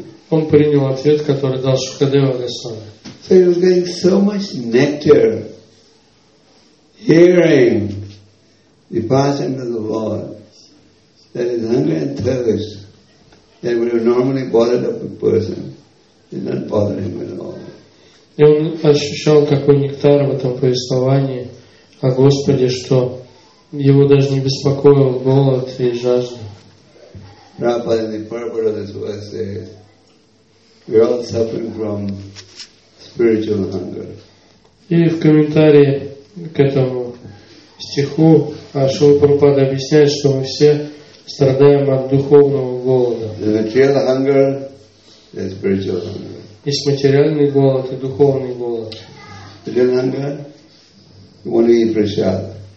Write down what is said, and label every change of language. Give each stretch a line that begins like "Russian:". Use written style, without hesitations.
Russian: Он принял ответ, который дал Шукадева Госвами.
English: So he was getting so much nectar hearing the passing of the Lord that his hunger and thirst that would have normally bothered a person did not bother him at all.
Russian: И он ощущал такой нектар в этом повествовании о Господе, что его даже не беспокоил голод и жажда.
English: Prabhupada, in the purport of this verse, says, we are all suffering from spiritual hunger.
Russian: И в комментарии к этому стиху Шрила Прабхупада объясняет, что мы все страдаем от духовного голода.
English: There's material hunger, there's spiritual hunger.
Russian: Есть материальный голод и духовный голод.
English: Material hunger, you want to eat prasad.